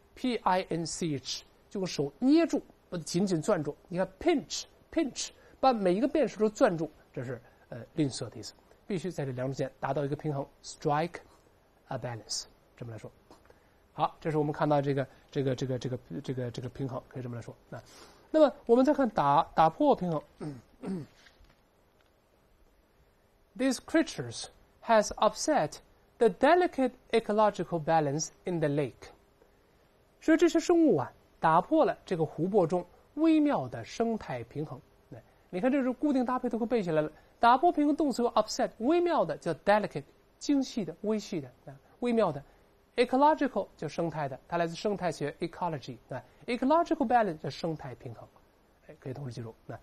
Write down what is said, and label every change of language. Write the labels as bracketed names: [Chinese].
[Chinese] P-I-N-C-H 就用手捏住，把它紧紧攥住，你看 pinch 把每一个便士都攥住，这是吝啬的意思，必须在这两者间达到一个平衡， [English] strike a balance， [Chinese] 这么来说。好，这是我们看到这个平衡，可以这么来说。那么我们再看打破平衡。 [English] These creatures has upset the delicate ecological balance in the lake. [Chinese] 所以这些生物啊打破了这个湖泊中微妙的生态平衡。你看这是固定搭配都会背起来了。打破平衡动词有 upset， 微妙的叫 delicate， 精细的微细的微妙的。 ecological 叫生态的，它来自生态学 ecology， ecological balance 叫生态平衡。可以同时记住。